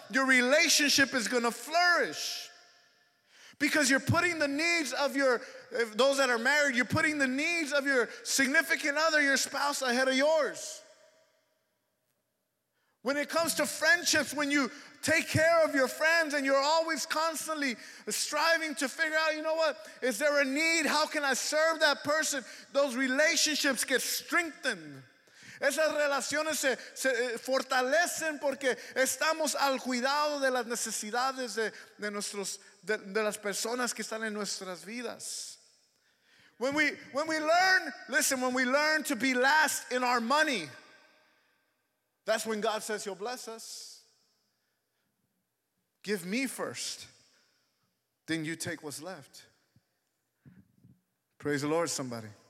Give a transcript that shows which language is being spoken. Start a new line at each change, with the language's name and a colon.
English: Your relationship is going to flourish. Because you're putting the needs of those that are married, you're putting the needs of your significant other, your spouse, ahead of yours. When it comes to friendships, when you take care of your friends and you're always constantly striving to figure out, you know what, is there a need? How can I serve that person? Those relationships get strengthened.
Spanish: Esas relaciones se fortalecen porque estamos al cuidado de las necesidades de las personas que están en nuestras vidas.
English: When we learn to be last in our money, that's when God says He'll bless us. Give me first, then you take what's left. Praise the Lord, somebody.